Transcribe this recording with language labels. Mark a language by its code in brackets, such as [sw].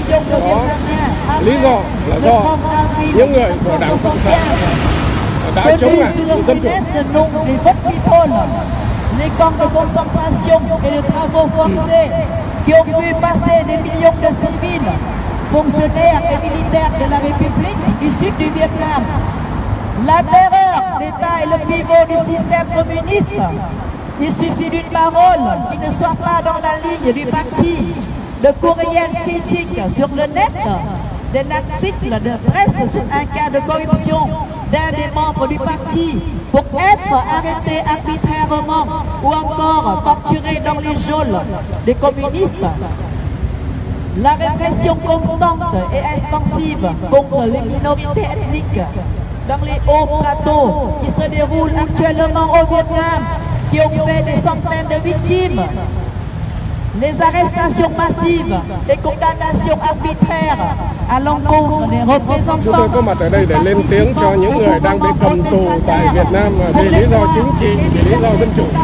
[vi] Đó, lý do là do những người của Đảng Cộng sản đã chống lại sự dân chủ. [fr] Les camps de concentration et de travaux forcés qui ont vu passer des millions de civils, fonctionnaires et militaires de la République du Sud du Vietnam. La terreur, l'État est le pivot du système communiste. Il suffit d'une parole qui ne soit pas dans la ligne du parti, de courriel critique sur le net, d'un article de presse sur un cas de corruption d'un des membres du parti pour être arrêté arbitrairement ou encore torturé dans les geôles des communistes. La répression constante et extensive contre les minorités ethniques dans les hauts plateaux qui se déroulent actuellement au Vietnam, qui ont fait des centaines de victimes. Les arrestations massives, les condamnations arbitraires à l'encontre des représentants. [vi] Chúng tôi có mặt ở đây để lên tiếng cho những người đang bị cầm tù tại Việt Nam vì lý do chính trị, vì lý do dân chủ.